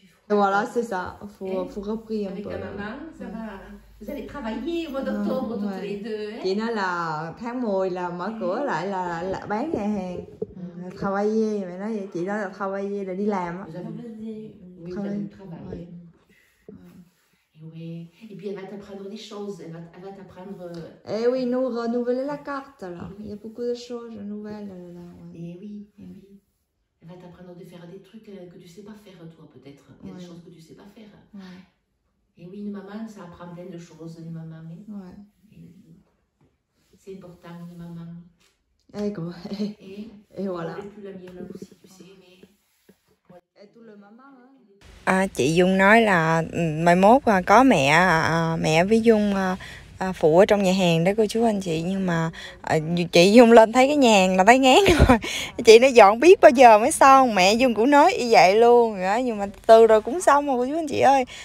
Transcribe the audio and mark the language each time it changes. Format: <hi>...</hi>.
<fr>Et voilà, c'est ça, faut repris un peu. Avec ma maman, ça va. Vous allez travailler au mois d'octobre, toutes les deux.</fr> <vi>Chị nói là tháng 10 là mở cửa lại là bán nhà hàng. Travailler, mẹ nói vậy, chị nói là travailler, là đi làm.</vi> <fr>Vous allez travailler. Et puis elle va t'apprendre des choses, elle va t'apprendre... Eh oui, nous renouveler la carte là, il y a beaucoup de choses nouvelles là. Eh oui. Elle va t'apprendre de faire des trucs que tu ne sais pas faire, toi, peut-être. Il y a des choses que tu ne sais pas faire. Ouais. Et oui, une maman, ça apprend plein de choses, une maman. Mais... Ouais. C'est important, une maman. Ego. Et voilà. Et plus la mienne aussi, tu sais, mais...</fr> <vi>À, chị Dung nói là mai mốt có mẹ mẹ với Dung phụ ở trong nhà hàng đó cô chú anh chị, nhưng mà chị Dung lên thấy cái nhà hàng là thấy ngán rồi. Chị nó dọn biết bao giờ mới xong, mẹ Dung cũng nói như vậy luôn đó, nhưng mà từ rồi cũng xong rồi cô chú anh chị ơi.</vi>